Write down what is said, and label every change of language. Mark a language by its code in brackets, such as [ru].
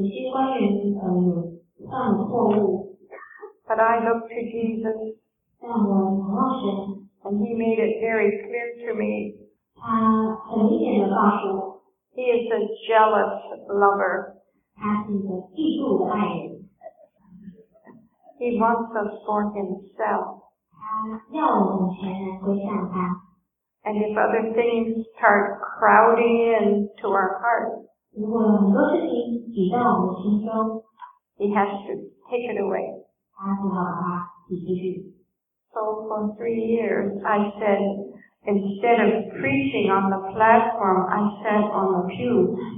[zh] 他们发现有些官员犯了错误。 [en] But I looked to Jesus. [zh] 但我仰望神。 [en] And he made it very clear to me. [zh] 他很明显地告诉我。 [en] He is a jealous lover. [zh] 他是一个嫉妒的爱人。 [en] He wants us for himself. [zh] 他要我们全然归向他。 [en] And if other things start crowding in to our hearts, [zh] 如果很多事情挤到我们心中, [en] he has to take it away. [zh] 他只好把它挤出去。 [en] So for 3 years, I said, instead of preaching on the platform, I sat on the pew.